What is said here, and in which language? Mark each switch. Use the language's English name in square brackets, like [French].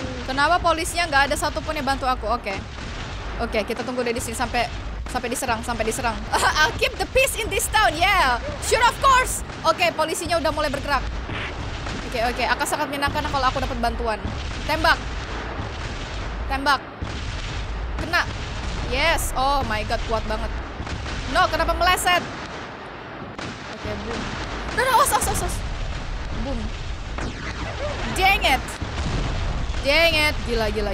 [Indonesian] Kenapa polisinya enggak ada satupun yang bantu aku? Oke. Okay. Oke, okay, kita tunggu dari sini sampai diserang. [English] I'll keep the peace in this town, yeah. Sure, of course. [Indonesian] Oke, okay, polisinya udah mulai bergerak. Oke, okay, oke. Okay. Akan sangat menyenangkan kalau aku dapat bantuan. Tembak. Tembak. Kena. Yes. [English] Oh my god, [Indonesian] kuat banget. No, kenapa meleset? Oke, okay, boom. No, no, os. Boom. [English] Dang it. Dang it. [Indonesian] Gila.